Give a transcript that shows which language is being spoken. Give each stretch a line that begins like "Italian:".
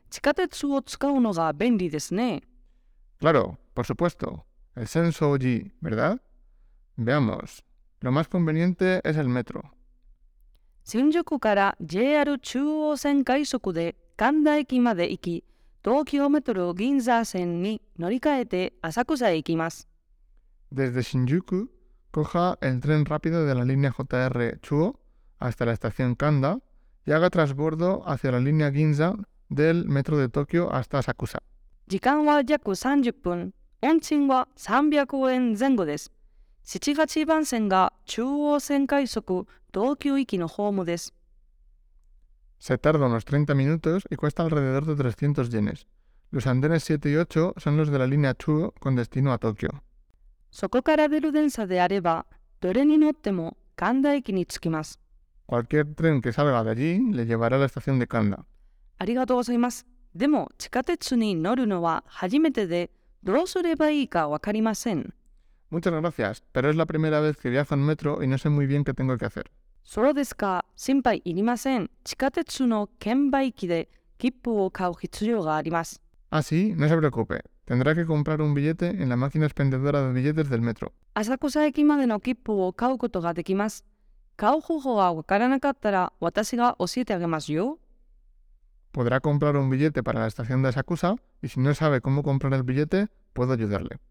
Japanese: 地下鉄を使うのが便利ですね。
Spanish: Claro, por supuesto. El 浅草寺, ¿verdad? Veamos. Lo más conveniente es el metro.
Japanese: 新宿から JR 中央線快速で神田駅まで行き、東京メトロ銀座線に乗り換えて浅草へ行きます。
Spanish: Desde 新宿, coja el tren rápido de la línea JR 中央hasta la estación Kanda y haga transbordo hacia la línea Ginza del metro de Tokio hasta Asakusa.
Japanese: 時間は約30分。運賃は300円前後です。 78番線が中央線快速東京行きのホームです。
Spanish: Se tarda unos 30 minutos y cuesta alrededor de 300 yenes. Los andenes 7 y 8 son los de la línea Chuo con destino a Tokio.
Japanese: そこから出る電車であれば、どれに乗っても神田駅に着きます。
Spanish: Cualquier tren que salga de allí le llevará a la estación de Kanda.
Japanese: ありがとうございます。でも、地下鉄に乗るのは初めてで、どうすればいいかわかりません。
Spanish: Muchas gracias, pero es la primera vez que viajo en metro y no sé muy bien qué tengo que hacer.
Japanese: そうですか。心配いりません。地下鉄の券売機で切符を買う必要があります。
Spanish: Ah, sí, no se preocupe. Tendrá que comprar un billete en la máquina expendedora de billetes del metro.
Japanese: 浅草駅までの切符を買うことができます。買う方法がわからなかったら、私が教えてあげますよ。
Spanish: Podrá comprar un billete para la estación de Asakusa, y si no sabe cómo comprar el billete, puedo ayudarle.